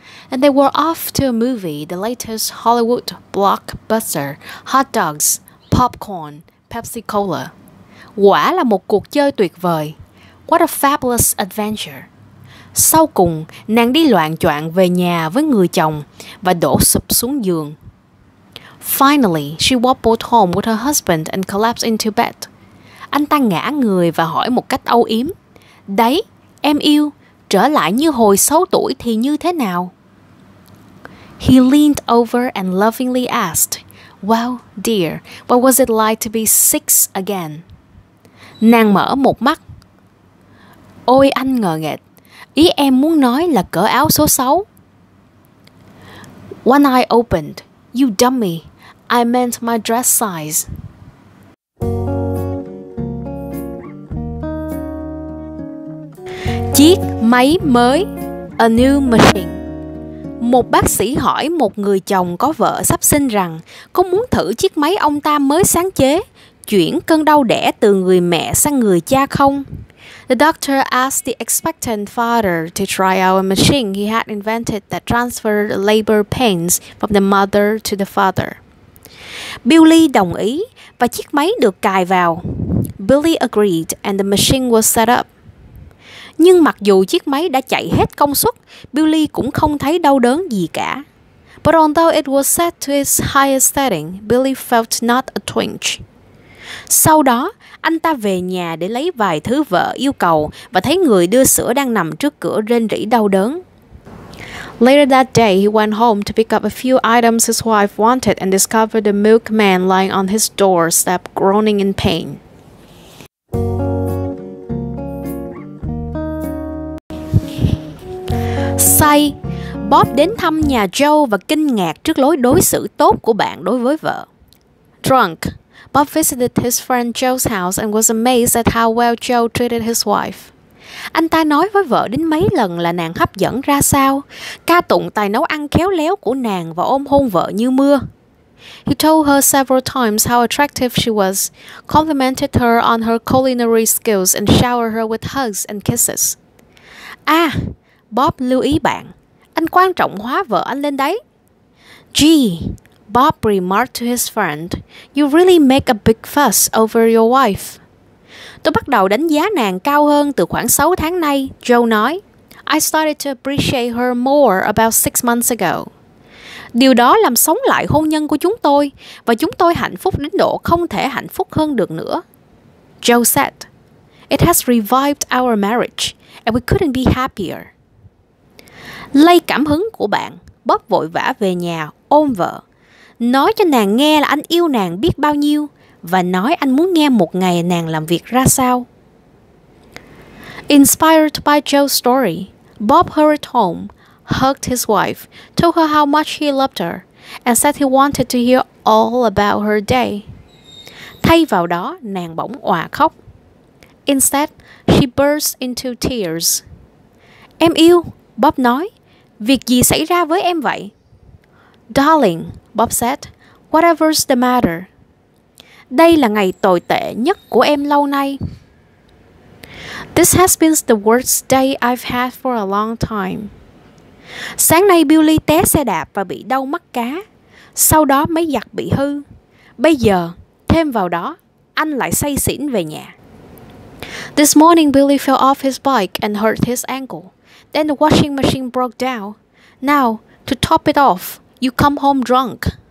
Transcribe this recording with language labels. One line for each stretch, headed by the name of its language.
English: And they were off to a movie, the latest Hollywood blockbuster, Hot Dogs, Popcorn, Pepsi Cola.
Vietnamese: Quả là một cuộc chơi tuyệt vời.
English: What a fabulous adventure.
Vietnamese: Sau cùng, nàng đi loạn choạng về nhà với người chồng và đổ sụp xuống giường.
English: Finally, she wobbled home with her husband and collapsed into bed.
Vietnamese: Anh ta ngã người và hỏi một cách âu yếm. Đấy, em yêu, trở lại như hồi 6 tuổi thì như thế nào?
English: He leaned over and lovingly asked, well, dear, what was it like to be 6 again?
Vietnamese: Nàng mở một mắt. Ôi anh ngờ nghệch. Ý em muốn nói là cỡ áo số 6.
English: One eye opened. You dummy. I meant my dress size.
Vietnamese: Chiếc máy mới.
English: A new machine.
Vietnamese: Một bác sĩ hỏi một người chồng có vợ sắp sinh rằng có muốn thử chiếc máy ông ta mới sáng chế, chuyển cơn đau đẻ từ người mẹ sang người cha không?
English: The doctor asked the expectant father to try out a machine he had invented that transferred labor pains from the mother to the father.
Vietnamese: Billy đồng ý và chiếc máy được cài vào.
English: Billy agreed and the machine was set up.
Vietnamese: Nhưng mặc dù chiếc máy đã chạy hết công suất, Billy cũng không thấy đau đớn gì cả.
English: But although it was set to its highest setting, Billy felt not a twinge.
Vietnamese: Sau đó, anh ta về nhà để lấy vài thứ vợ yêu cầu và thấy người đưa sữa đang nằm trước cửa rên rỉ đau đớn.
English: Later that day, he went home to pick up a few items his wife wanted and discovered the milkman lying on his doorstep groaning in pain.
Vietnamese: Say, Bob đến thăm nhà Joe và kinh ngạc trước lối đối xử tốt của bạn đối với vợ.
English: Drunk, Bob visited his friend Joe's house and was amazed at how well Joe treated his wife.
Vietnamese: Anh ta nói với vợ đến mấy lần là nàng hấp dẫn ra sao, ca tụng tài nấu ăn khéo léo của nàng và ôm hôn vợ như mưa.
English: He told her several times how attractive she was, complimented her on her culinary skills and showered her with hugs and kisses.
Vietnamese: À, Bob lưu ý bạn, anh quan trọng hóa vợ anh lên đấy.
English: Gee, Bob remarked to his friend, you really make a big fuss over your wife.
Vietnamese: Tôi bắt đầu đánh giá nàng cao hơn từ khoảng 6 tháng nay, Joe nói.
English: I started to appreciate her more about 6 months ago.
Vietnamese: Điều đó làm sống lại hôn nhân của chúng tôi, và chúng tôi hạnh phúc đến độ không thể hạnh phúc hơn được nữa.
English: Joe said, it has revived our marriage, and we couldn't be happier.
Vietnamese: Lấy cảm hứng của bạn, Bob vội vã về nhà, ôm vợ. Nói cho nàng nghe là anh yêu nàng biết bao nhiêu và nói anh muốn nghe một ngày nàng làm việc ra sao.
English: Inspired by Joe's story, Bob hurried home, hugged his wife, told her how much he loved her, and said he wanted to hear all about her day.
Vietnamese: Thay vào đó, nàng bỗng òa khóc.
English: Instead, she burst into tears.
Vietnamese: Em yêu, Bob nói, việc gì xảy ra với em vậy?
English: Darling, Bob said, whatever's the matter.
Vietnamese: Đây là ngày tồi tệ nhất của em lâu nay.
English: This has been the worst day I've had for a long time.
Vietnamese: Sáng nay Billy té xe đạp và bị đau mắt cá. Sau đó máy giặt bị hư. Bây giờ, thêm vào đó, anh lại say xỉn về nhà.
English: This morning Billy fell off his bike and hurt his ankle. Then the washing machine broke down. Now, to top it off, you come home drunk.